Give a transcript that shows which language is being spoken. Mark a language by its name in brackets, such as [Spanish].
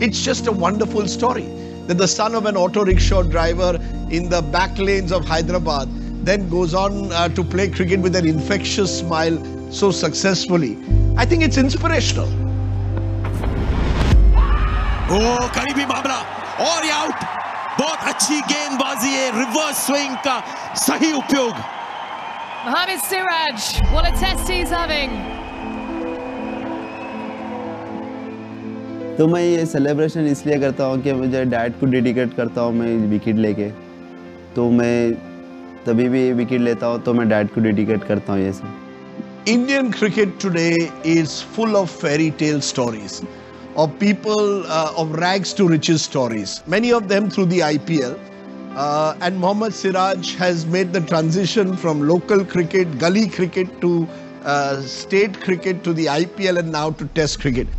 [English] It's just a wonderful story that the son of an auto rickshaw driver in the back lanes of Hyderabad then goes on to play cricket with an infectious smile so successfully. I think it's inspirational. [Hindi] करीबी मामला और ये out. बहुत अच्छी गेंदबाजी है, reverse swing का सही उपयोग। [English] Mohammad Siraj, what a test he's having. [Hindi] तो मैं ये सेलिब्रेशन इसलिए करता हूँ कि मुझे डैड को डेडिकेट करता हूँ मैं विकेट लेके, तो मैं तभी भी विकेट लेता हूँ तो मैं डैड को डेडिकेट करता हूँ ये सब। [English] Indian cricket today is full of fairy tale stories, of people of rags to riches stories. Many of them through the IPL, and Mohammad Siraj has made the transition from local cricket, gully cricket to state cricket to the IPL and now to test cricket.